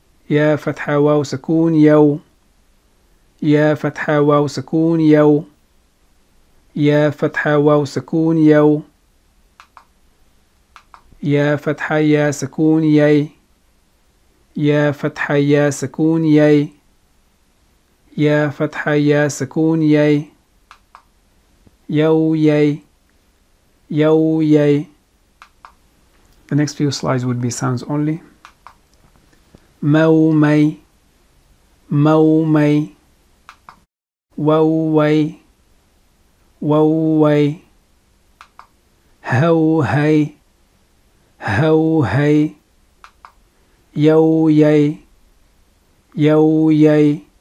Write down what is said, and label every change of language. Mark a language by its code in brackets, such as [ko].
[ar] يا فتحة واو سكون يو يا فتحة واو سكون يو يا فتحة واو سكون يو يا فتحة يا سكون يي يا فتحة يا سكون يي يا فتحة يا سكون يي يو يي يو يي. [en] The next few slides would be sounds only. [ar] مو مي مو مي ووي ووي هو هي هو هي يو يي يو يي